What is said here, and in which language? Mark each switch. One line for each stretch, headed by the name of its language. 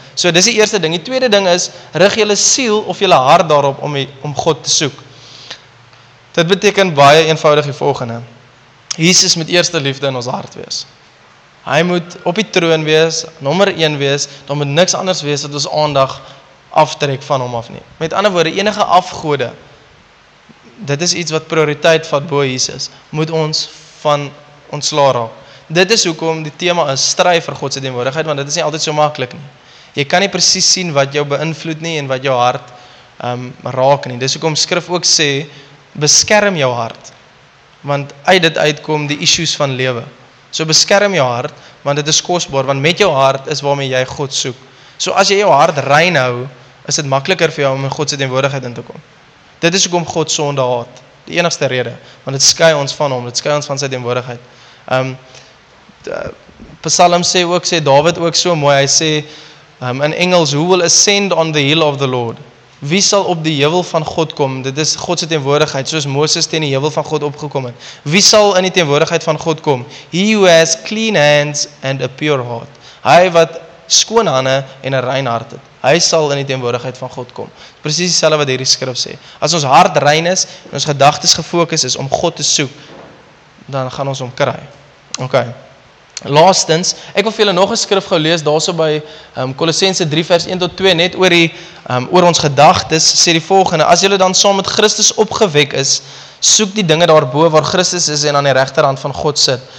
Afrikaans: So dis die eerste ding. Die tweede ding is rig julle siel of julle hart daarop om God te soek. Dit beteken baie eenvoudig die volgende. Jesus moet eerste liefde in ons hart wees. Hy moet op die troon wees, nommer 1 wees, dan moet niks anders wees wat ons aandag aftrek van hom af nie. Met ander woorde, enige afgode, dit is iets wat prioriteit vat bo Jesus, moet ons van ontslaa raak. Dit is hoekom die tema is stry vir God se teenwoordigheid, want dit is nie altyd so maklik nie. Jy kan nie presies sien wat jou beïnvloed nie en wat jou hart raak nie. Dis hoekom skrif ook sê, beskerm jou hart, want uit dit uitkom die issues van lewe. So beskerm jou hart, want dit is kosbaar, want met jou hart is waarmee jy God soek. So as jy jou hart rein hou, is dit makliker vir jou om in God se teenwoordigheid in te kom. Dit is hoekom God sonde haat, die enigste rede, want dit skei ons van hom, dit skei ons van sy teenwoordigheid. Psalm sê David ook so mooi, hy sê in Engels,
English: who will ascend on the hill of the Lord?
Afrikaans: Wie sal op die heuwel van God kom? Dit is God se teenwoordigheid, soos Moses teen die heuwel van God opgekom het. Wie sal in die teenwoordigheid van God kom?
English: He who has clean hands and a pure heart.
Afrikaans: Hy wat skoon hande en 'n rein hart het. Hy sal in die teenwoordigheid van God kom. Presies dieselfde wat hierdie skrif sê. As ons hart rein is en ons gedagtes gefokus is om God te soek, dan gaan ons hom kry. Okay. Laastens, ek wil vir julle nog 'n skrif gou lees daarso by Kolossense 3 vers 1 tot 2 net oor die oor ons gedagtes sê die volgende: as julle dan saam met Christus opgewek is, soek die dinge daarbo waar Christus is en aan die regterhand van God sit.